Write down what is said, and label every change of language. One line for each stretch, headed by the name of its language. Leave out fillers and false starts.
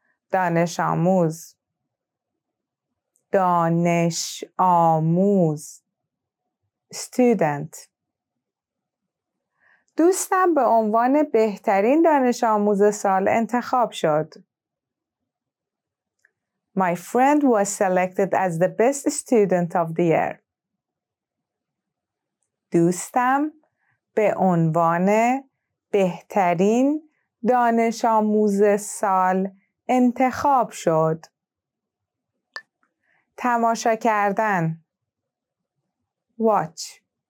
Persian: دانش آموز. دانش آموز student. دوستم به عنوان بهترین دانش آموز سال انتخاب شد.
English: My friend was selected as the best student of the year.
Persian: دوستم به عنوان بهترین دانش آموز سال انتخاب شد. تماشا کردن. Watch.